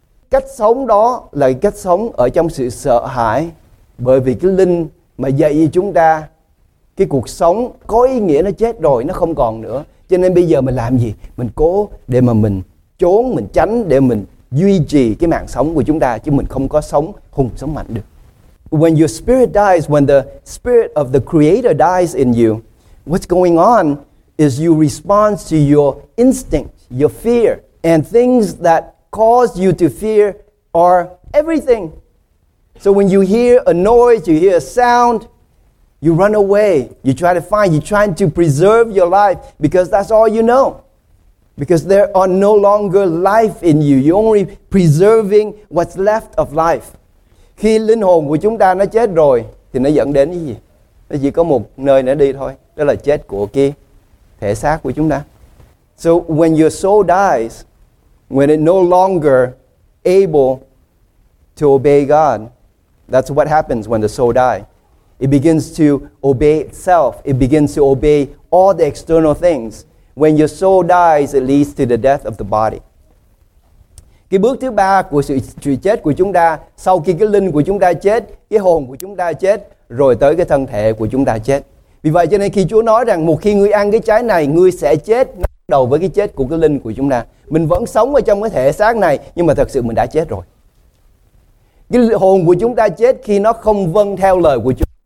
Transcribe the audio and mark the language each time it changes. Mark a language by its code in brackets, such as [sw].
[vi] cách sống đó là cách sống ở trong sự sợ hãi, bởi vì cái linh mà dạy cho chúng ta cái cuộc sống có ý nghĩa nó chết rồi, nó không còn nữa. Cho nên bây giờ mình làm gì? Mình cố để mà mình trốn, mình tránh, để mình duy trì cái mạng sống của chúng ta, chứ mình không có sống hùng sống mạnh được. [en] When your spirit dies, when the spirit of the creator dies in you, what's going on is you respond to your instinct, your fear, and things that cause you to fear are everything. So when you hear a noise, you hear a sound, you run away, you try to find, you're trying to preserve your life because that's all you know. Because there are no longer life in you, you're only preserving what's left of life. [vi] Khi linh hồn của chúng ta nó chết rồi, thì nó dẫn đến cái gì? Nó chỉ có một nơi nó đi thôi, đó là chết của cái thể xác của chúng ta. [en] So when your soul dies, when it no longer able to obey God, that's what happens when the soul dies. It begins to obey itself. It begins to obey all the external things. When your soul dies, it leads to the death of the body. [vi] Cái bước thứ ba của sự chết của chúng ta, sau khi cái linh của chúng ta chết, cái hồn của chúng ta chết, rồi tới cái thân thể của chúng ta chết. Vì vậy cho nên khi Chúa nói rằng một khi ngươi ăn cái trái này, ngươi sẽ chết, nó bắt đầu với cái chết của cái linh của chúng ta. Mình vẫn sống ở trong cái thể xác này, nhưng mà thật sự mình đã chết rồi. Cái hồn của chúng ta chết khi nó không vâng theo lời của Chúa.